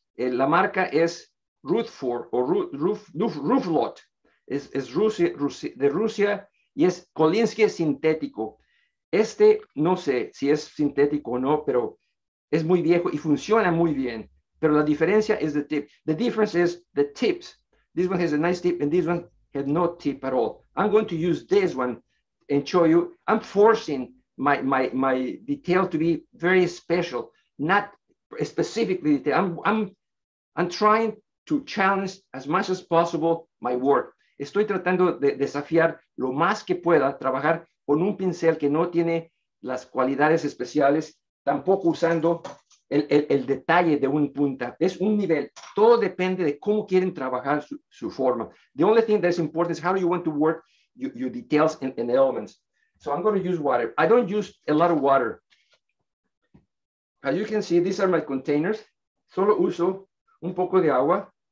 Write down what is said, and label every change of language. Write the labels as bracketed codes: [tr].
[es] La marca es Rutherford o Rufflot. Es Rusia y es Kolinsky sintético. Este no sé si es sintético o no, pero es muy viejo y funciona muy bien. Pero la diferencia es [en] the tip. The difference is the tips. This one has a nice tip and this one has no tip at all. I'm going to use this one and show you. I'm forcing my detail to be very special, not specifically detail. I'm trying to challenge as much as possible my work. [es] Estoy tratando de desafiar lo más que pueda, trabajar con un pincel que no tiene las cualidades especiales, tampoco usando el detalle de un punta. Es un nivel. Todo depende de cómo quieren trabajar su forma. [en] The only thing that's important is how you want to work your details and elements. So I'm going to use water. I don't use a lot of water. As you can see, these are my containers. [es] Solo uso un poco de agua.